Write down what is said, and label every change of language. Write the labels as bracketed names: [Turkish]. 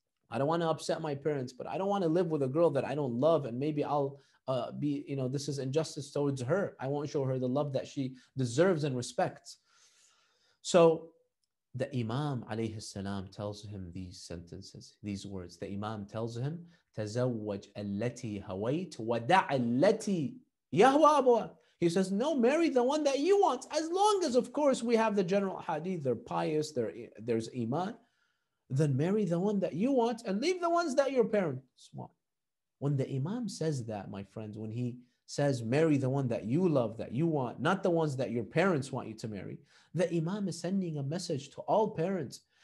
[English] I don't want to upset my parents, but I don't want to live with a girl that I don't love. And maybe I'll this is injustice towards her. I won't show her the love that she deserves and respects. So the Imam alayhi salam tells him these sentences, these words. [Arabic] The Imam tells him, تَزَوَّجْ أَلَّتِي هَوَيْتُ وَدَعَ أَلَّتِي يَهْوَى أَبُوَكَ. [English] He says, no, marry the one that you want. As long as, of course, we have the general hadith, they're pious, there's iman, then marry the one that you want and leave the ones that your parents want. When the imam says that, my friends, when he says, marry the one that you love, that you want, not the ones that your parents want you to marry, the imam is sending a message to all parents.